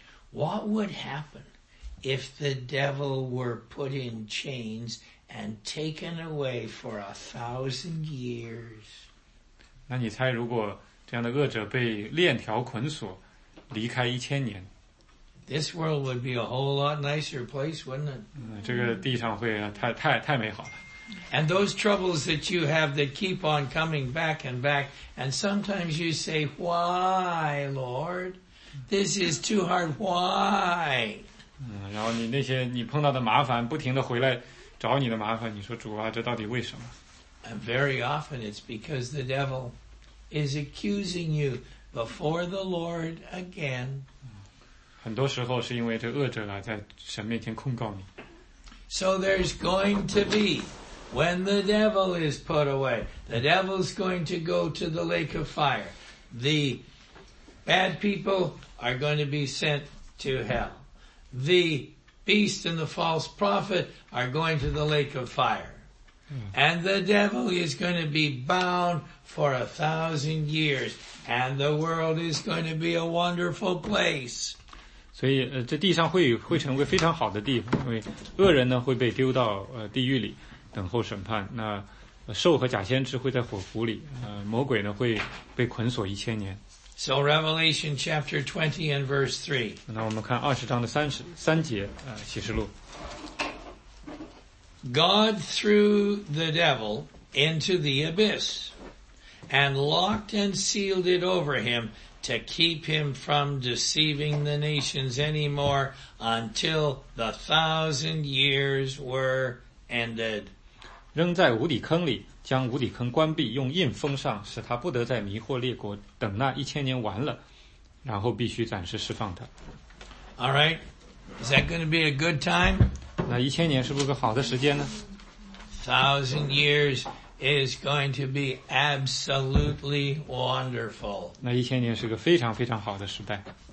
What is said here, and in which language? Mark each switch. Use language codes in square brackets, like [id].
[en] What would happen if the devil were put in chains and taken away for 1,000 years? [zh] 那你猜如果这样的恶者被链条捆锁离开1000年 [en] This world would be a whole lot nicer place, wouldn't it? [zh] 这个地上会太美好了。 [en] And those troubles that you have that keep on coming back and back, and sometimes you say, why, Lord? This is too hard, why? [zh] 然后你碰到的麻烦不停地回来找你的麻烦你说主啊这到底为什么 [en] And very often it's because the devil is accusing you before the Lord again. [zh] 很多时候是因为这恶者啊在神面前控告你。 [en] So there's going to be when the devil is put away, the devil's going to go to the lake of fire. The bad people are going to be sent to hell. The beast and the false prophet are going to the lake of fire. And the devil is going to be bound for 1,000 years. And the world is going to be a wonderful place. [zh] 所以这地上会成为非常好的地方因为恶人呢会被丢到地狱里。等候审判那兽和假先知会在火湖里魔鬼呢会被捆锁1000年 [en] So Revelation chapter 20 and verse 3 [zh] 那我们看20章的3节启示录 [en] God threw the devil into the abyss and locked and sealed it over him to keep him from deceiving the nations anymore until the 1,000 years were ended [zh] 扔在无底坑里将无底坑关闭用印封上使他不得再迷惑列国等那1000年完了然后必须暂时释放他 [en] Alright Is that going to be a good time? [zh] 那1000年是不是个好的时间呢 [en] 1,000 years is going to be absolutely wonderful [zh] 那1000年是个非常非常好的时代